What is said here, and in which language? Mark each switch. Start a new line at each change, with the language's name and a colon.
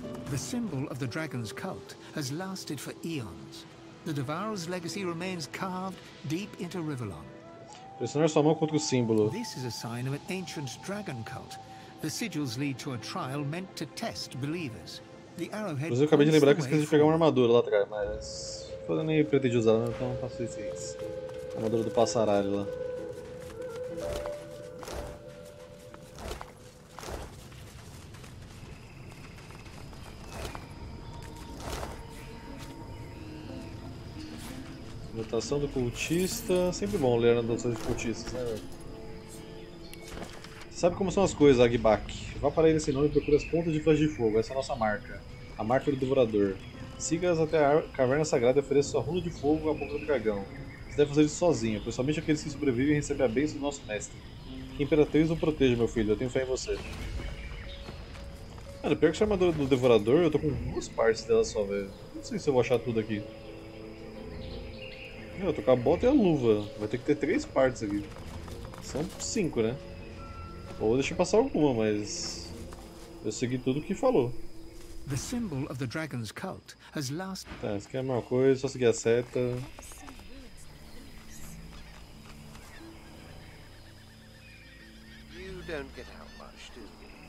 English: The symbol of the dragon's cult has lasted for eons. The Devourer's legacy remains carved deep into Rivalon. This is a sign of an ancient dragon cult. The sigils lead to a trial meant to test believers. The arrowhead.
Portuguese: Mas eu acabei de lembrar que eu esqueci de pegar uma armadura lá atrás, mas foi nem pretendi usar, então não faço isso. Armadura do passaralho lá. Anotação do cultista, sempre bom ler anotações de cultistas, né? Sabe como são as coisas, Agbak? Vá para ele esse nome e procure as pontas de flash de fogo, essa é a nossa marca. A marca do devorador. Siga-as até a caverna sagrada e ofereça sua runa de fogo à boca do dragão. Você deve fazer isso sozinho, pois somente aqueles que sobrevivem recebem a bênção do nosso mestre. Que a Imperatriz o proteja, meu filho, eu tenho fé em você. Mano, pior que essa armadura do devorador, eu tô com duas partes dela só, velho. Não sei se eu vou achar tudo aqui. Eu tô com a bota e a luva. Vai ter que ter três partes aqui. São cinco, né? Ou deixa eu passar alguma, mas eu segui tudo que falou.
English: The symbol of the dragon's cult has last.
Portuguese: Tá, isso aqui é a mesma coisa, só seguir a seta.
English: You don't get out much, do you?